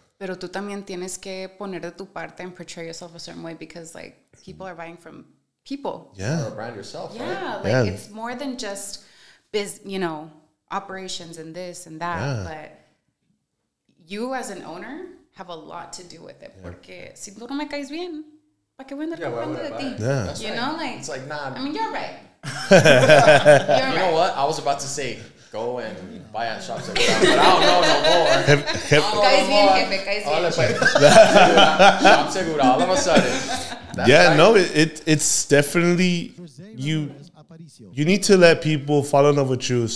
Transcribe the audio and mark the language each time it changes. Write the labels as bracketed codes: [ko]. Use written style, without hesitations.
[es] Pero tú también tienes que poner de tu parte [en] and portray yourself a certain way because like people are buying from people. Yeah. Or a brand yourself. Yeah. Like yeah. It's more than just biz, you know, operations and this and that. Yeah. But you as an owner have a lot to do with it. Yeah. [es] Porque si tú no me caes bien, ¿para qué voy a andar comprando de ti? [en] Yeah. You know, like, it's like, nah. I mean, you're right. You know what? I was about to say, go and buy at Shop Segura, but I don't know no more. Guys, being jefe, guys, all of a sudden. It's definitely you need to let people fall in love with you.